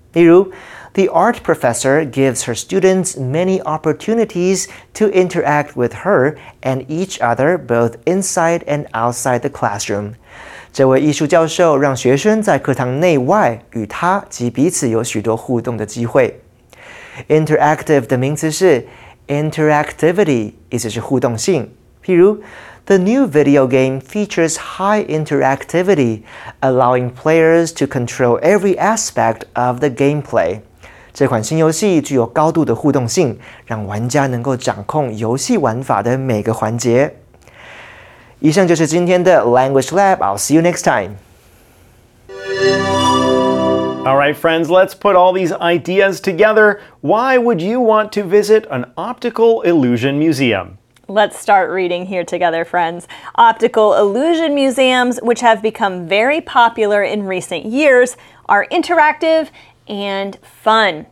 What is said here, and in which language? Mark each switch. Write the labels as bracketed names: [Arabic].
[English] 例如 ，The art professor gives her students many opportunities to interact with her and each other both inside and outside the classroom。 [Chinese] 这位艺术教授让学生在课堂内外与他及彼此有许多互动的机会。 Interactive 的名词是 interactivity， 意思是互动性。 [English] 譬如The new video game features high interactivity, allowing players to control every aspect of the gameplay. [Chinese] 这款新游戏具有高度的互动性，让玩家能够掌控游戏玩法的每个环节。以上就是今天的 [English] Language Lab. I'll see you next time. All right, friends, let's put all these ideas together. Why would you want to visit an optical illusion museum? Let's start reading here together, friends. Optical illusion museums, which have become very popular in recent years, are interactive and fun.